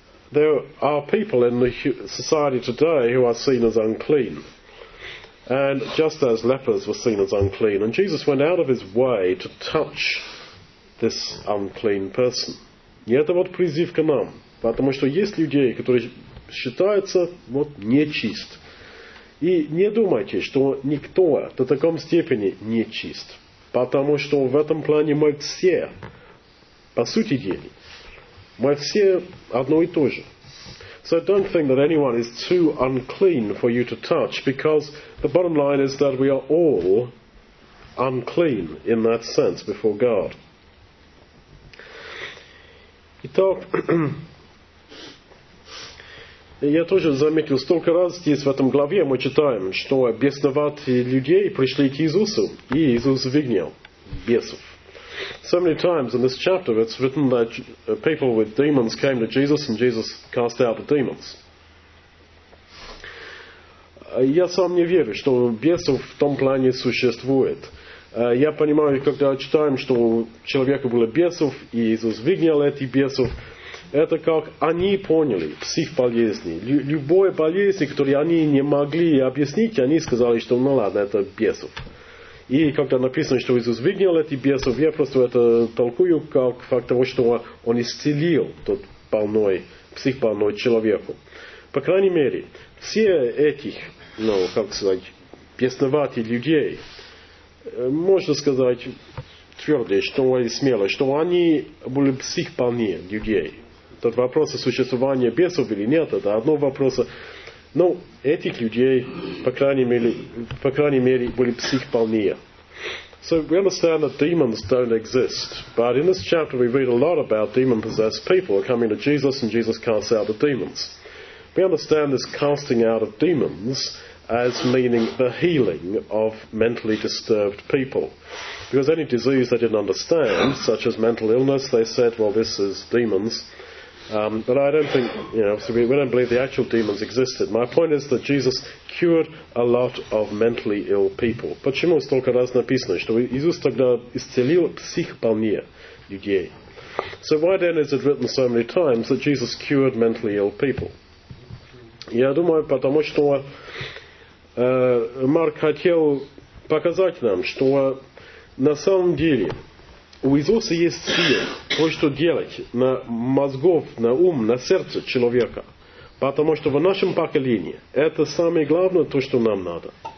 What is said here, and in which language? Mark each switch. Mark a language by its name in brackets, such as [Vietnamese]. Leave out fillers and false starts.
[English] There are people in the society today who are seen as unclean. And just as lepers were seen as unclean. And Jesus went out of his way to touch this unclean person. [Russian] И это вот призыв к нам. Потому что есть люди, которые считаются вот нечист. И не думайте, что никто до такой степени нечист. Потому что в этом плане мы все По сути дела, мы все одно и то же. [English] So don't think that anyone is too unclean for you to touch, because the bottom line is that we are all unclean in that sense before God. [Russian] Итак, я тоже заметил, столько раз здесь в этом главе мы читаем, что бесноватые людей пришли к Иисусу, и Иисус выгнал бесов. [English] So many times in this chapter it's written that people with demons came to Jesus and Jesus cast out the demons. [Russian] Я сам не верю, что бесов в том плане существует. Я понимаю, когда читаем, что у человека было бесов, и Иисус выгнал этих бесов, это как они поняли психболезни. Любой болезнь, которую они не могли объяснить, они сказали, что ну ладно, это бесов. И когда написано, что Иисус выгнал эти бесов, я просто это толкую как факт того, что Он исцелил тот больной, психбольной человеку. По крайней мере, все этих, ну, как сказать, бесноватых людей, можно сказать твердо, что они смело, что они были психбольные людей. Тот вопрос о существовании бесов или нет, это одно вопрос. Но этих людей, по крайней мере, были психбольные. [English] So we understand that demons don't exist. But in this chapter we read a lot about demon-possessed people coming to Jesus and Jesus casts out the demons. We understand this casting out of demons as meaning the healing of mentally disturbed people. Because any disease they didn't understand, such as mental illness, they said, well, this is demons. But I don't think, we don't believe the actual demons existed. My point is that Jesus cured a lot of mentally ill people. [Russian] Почему столько раз написано, что Иисус тогда исцелил психбольные людей? [English] So why then is it written so many times that Jesus cured mentally ill people? [Russian] Я думаю, потому что Марк хотел показать нам, что на самом деле у Иисуса есть сила кое-что делать на мозгов, на ум, на сердце человека. Потому что в нашем поколении это самое главное, то, что нам надо.